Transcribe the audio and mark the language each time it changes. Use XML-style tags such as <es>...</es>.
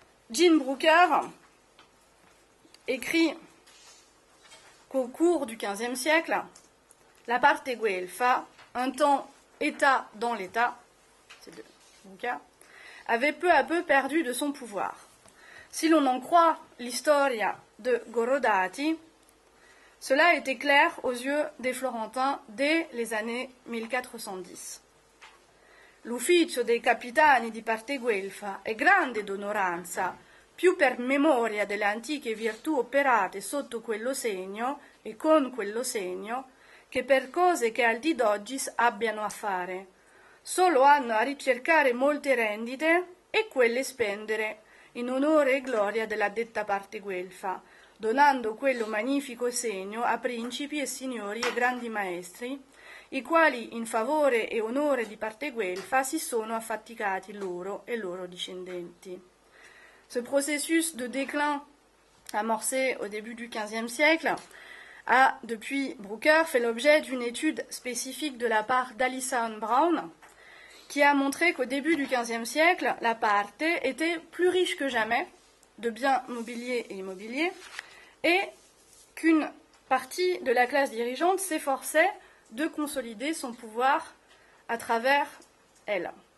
<fr>Jean Brooker écrit qu'au cours du XVe siècle, la parte guelfa, un temps état dans l'état, c'est de Brooker, avait peu à peu perdu de son pouvoir. Si l'on en croit l'Historia de Gorodati, cela était clair aux yeux des Florentins dès les années 1410.</fr> <it>L'ufficio dei capitani di parte guelfa è grande d'onoranza, più per memoria delle antiche virtù operate sotto quello segno e con quello segno, che per cose che al di d'oggi abbiano a fare. Solo hanno a ricercare molte rendite e quelle spendere in onore e gloria della detta parte guelfa, donando quello magnifico segno a principi e signori e grandi maestri, i quali in favore e onore di parte guelfa si sono affaticati loro e loro discendenti.</it> <fr>Ce processus de déclin amorcé au début du XVe siècle a, depuis Brooker, fait l'objet d'une étude spécifique de la part d'Alison Brown, qui a montré qu'au début du XVe siècle, la parte était plus riche que jamais de biens mobiliers et immobiliers, et qu'une partie de la classe dirigeante s'efforçait de consolider son pouvoir à travers elle.</fr>